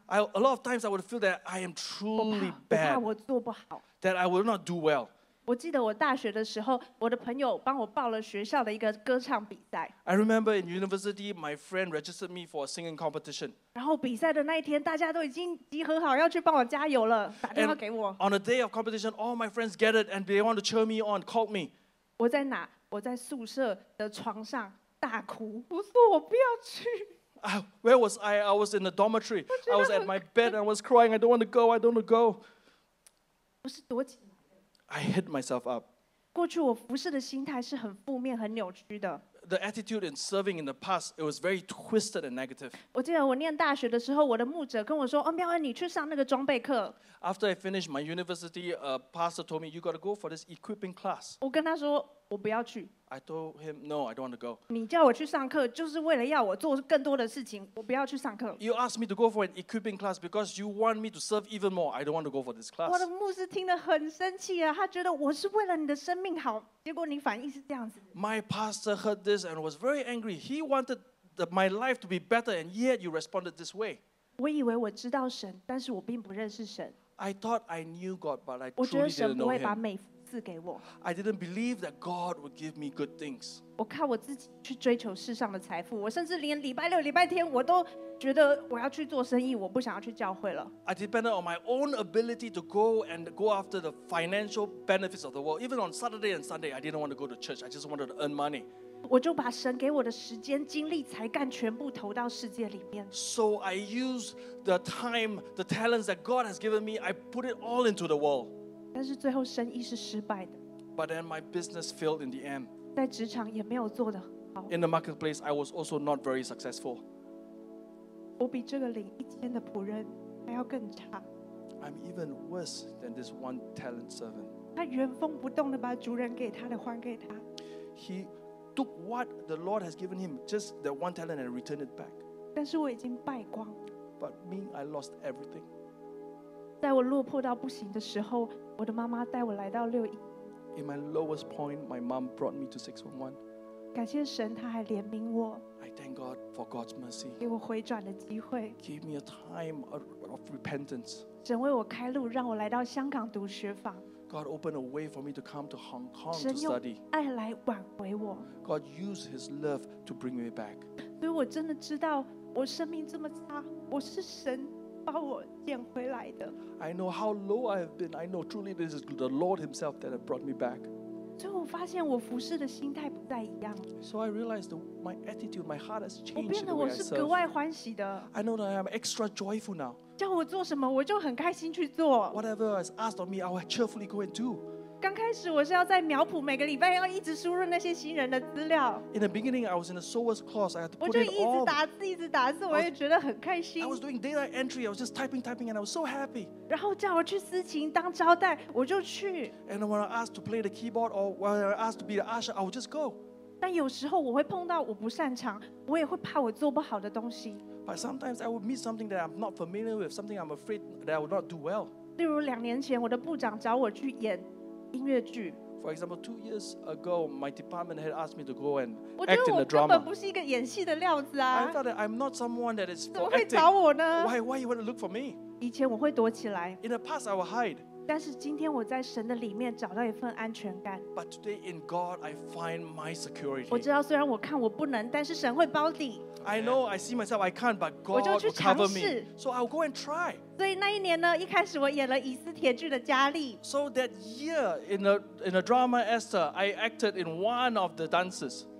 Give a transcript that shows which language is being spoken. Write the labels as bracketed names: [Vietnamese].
[English] A lot of times I would feel that I am truly bad. [Chinese] 我怕我做不好。 [English] That I will not do well. [Chinese] 我记得我大学的时候，我的朋友帮我报了学校的一个歌唱比赛。 [English] I remember in university, my friend registered me for a singing competition. [Chinese] 然后比赛的那一天，大家都已经集合好要去帮我加油了，打电话给我。 [English] On the day of competition, all my friends gathered and they want to cheer me on, called me. [Chinese] 我在哪？我在宿舍的床上大哭。我说我不要去。 [English] Where was I? I was in the dormitory. I was at my bed and I was crying. I don't want to go. I don't want to go. [Chinese] 不是躲起来。 [English] I hit myself up. [Chinese] 过去我服侍的心态是很负面、很扭曲的。 [English] The attitude in serving in the past, it was very twisted and negative. [Chinese] 我记得我念大学的时候，我的牧者跟我说：“哦，妙恩，你去上那个装备课。” [English] After I finished my university, a pastor told me, "You got to go for this equipping class." [Chinese] 我跟他说。我不要去。 [English] I told him no, I don't want to go. [Chinese] 你叫我去上课，就是为了要我做更多的事情。我不要去上课。 [English] You asked me to go for an equipping class because you want me to serve even more. I don't want to go for this class. [Chinese] 我的牧师听得很生气啊，他觉得我是为了你的生命好，结果你反应是这样子。 [English] My pastor heard this and was very angry. He wanted my life to be better, and yet you responded this way. [Chinese] 我以为我知道神，但是我并不认识神。 [English] I thought I knew God, but I truly didn't know Him. [Chinese] 我觉得神不会把美福。 [English] I didn't believe that God would give me good things. [Chinese] 我靠我自己去追求世上的财富，我甚至连礼拜六、礼拜天我都觉得我要去做生意，我不想要去教会了。 [English] I depended on my own ability to go and go after the financial benefits of the world. Even on Saturday and Sunday, I didn't want to go to church. I just wanted to earn money. [Chinese] 我就把神给我的时间、精力、才干全部投到世界里面。 [English] So I used the time, the talents that God has given me. I put it all into the world. [Chinese] 但是最后生意是失败的。 [English] But then my business failed in the end. [Chinese] 在职场也没有做得很好。 [English] In the marketplace, I was also not very successful. [Chinese] 我比这个领一千的仆人还要更差。 [English] I'm even worse than this one talent servant. [Chinese] 他原封不动地把主人给他的还给他。 [English] He took what the Lord has given him, just that one talent, and returned it back. [Chinese] 但是我已经败光。 [English] But me, I lost everything. [Chinese] 在我落魄到不行的时候，我的妈妈带我来到六一。 [English] In my lowest point, my mom brought me to 611. [Chinese] 感谢神，她还怜悯我。 [English] I thank God for God's mercy. [Chinese] 给我回转的机会。 [English] Give me a time of repentance. [Chinese] 神为我开路，让我来到香港读学坊。 [English] God opened a way for me to come to Hong Kong to study. [Chinese] 神用爱来挽回我。 [English] God used His love to bring me back. [Chinese] 所以我真的知道，我生命这么差，我是神。把我捡回来的。 [English] I know how low I have been. I know truly this is the Lord Himself that has brought me back. [Chinese] 所以我发现我服侍的心态不再一样。 [English] So I realized my attitude, my heart has changed. [Chinese] 我变得我是格外欢喜的。 [English] I know that I am extra joyful now. [Chinese] 叫我做什么，我就很开心去做。 [English] Whatever is asked of me, I will cheerfully go and do. [Chinese] 刚开始我是要在苗圃每个礼拜要一直输入那些新人的资料。 [English] In the beginning, I was in a sewer's course. I had to put in all. [Chinese] 我就一直打字，一直打字，我也觉得很开心。 [English] I was doing data entry. I was just typing, typing, and I was so happy. [Chinese] 然后叫我去司琴当招待，我就去。 [English] And when I asked to play the keyboard or when I asked to be the usher, I would just go. [Chinese] 但有时候我会碰到我不擅长，我也会怕我做不好的东西。 [English] But sometimes I would meet something that I'm not familiar with, something I'm afraid that I would not do well. [Chinese] 例如两年前，我的部长找我去演。音乐剧。 [English] For example, 2 years ago, my department had asked me to go and act in a drama. [Chinese] 我觉得我根本不是一个演戏的料子啊。 [English] I thought that I'm not someone that is for acting. [Chinese] 怎么会找我呢 [English] ？Why you want to look for me? [Chinese] 以前我会躲起来。 [English] In the past, I would hide. [Chinese] 但是今天我在神的里面找到一份安全感。 [English] But today in God, I find my security. [Chinese] 我知道虽然我看我不能，但是神会包底。 [English] I know I see myself I can't, but God will cover me. So I'll go and try. [Chinese] 所以那一年呢，一开始我演了《以斯帖剧》的佳丽。 [English] So that year in a drama Esther, I acted in one of the dances.